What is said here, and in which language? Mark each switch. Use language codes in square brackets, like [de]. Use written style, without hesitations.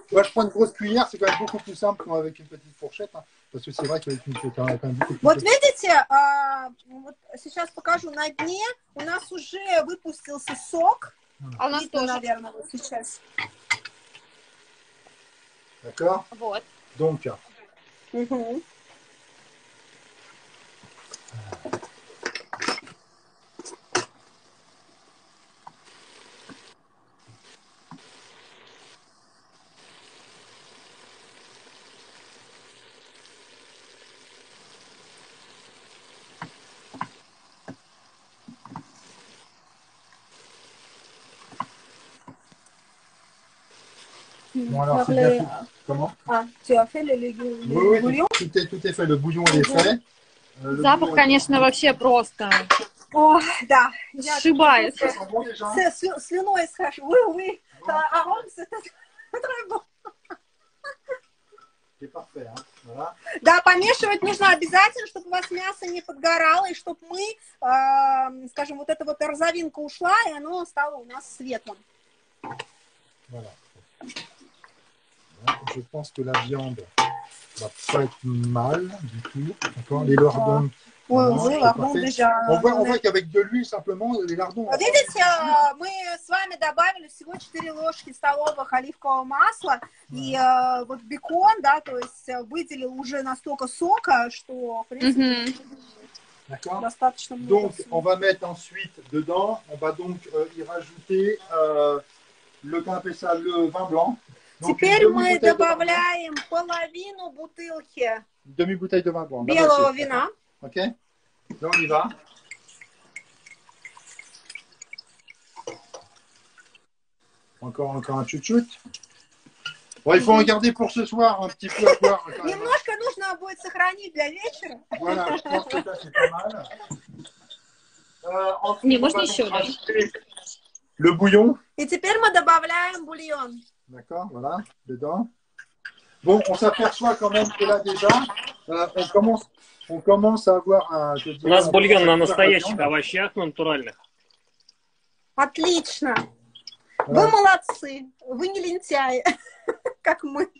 [fr] Moi, je prends une grosse cuillère, c'est quand même beaucoup plus simple qu'avec une petite fourchette. Hein. Parce que c'est vrai qu'avec une cuillère, quand même beaucoup plus. [ru] Вот видите, вот сейчас покажу на дне. У нас уже выпустился сок. А у нас тоже, наверное, вот сейчас. [fr] D'accord. [ru] Вот. [fr] Donc. Bon alors, c'est bien fait. Comment? Ah, tu as fait le légume, oui, oui, bouillon? Tout est, fait, le bouillon est fait. Le [ru] запах, конечно, [fr] est... [ru] вообще просто. О, да. Сшибает. Слюной схожу. [fr] Oui, oui. Aron, c'est très bon. C'est parfait, hein? Voilà. [ru] Да, помешивать нужно обязательно, чтобы у вас мясо не подгорало, и чтобы мы, скажем, вот эта вот розовинка ушла, и оно стало у нас светлым. [fr] Voilà. Je pense que la viande va pas être mal du tout. D'accord, les lardons. Ouais, non, oui, lardons déjà. On voit qu'avec de l'huile simplement les lardons. Vous voyez, [ru] мы с вами добавили всего 4 ложки столовых оливкового масла и вот бекон, да, то есть выделил уже настолько сока, что в принципе достаточно много. [fr] Donc on va mettre ensuite dedans, on va donc y rajouter le qu'on appelle ça le vin blanc. [ru] Теперь мы добавляем половину бутылки белого вина. [fr] Окей. Donc on y va. Encore un [ru] чуть-чуть. [fr] Bon, il faut en garder pour ce soir un petit peu à boire. [ru] Немножко нужно будет сохранить для вечера. [fr] Voilà, je pense que ça c'est pas mal. [ru] Не, можно еще даже. [fr] Le bouillon. [ru] И теперь мы добавляем бульон. [fr] D'accord, voilà, dedans. Bon, on s'aperçoit quand même que là déjà, on commence à avoir un. Je dirais, [ru] у нас бульон на настоящих овощах натуральных. Отлично. Вы молодцы, вы не лентяи, как мы.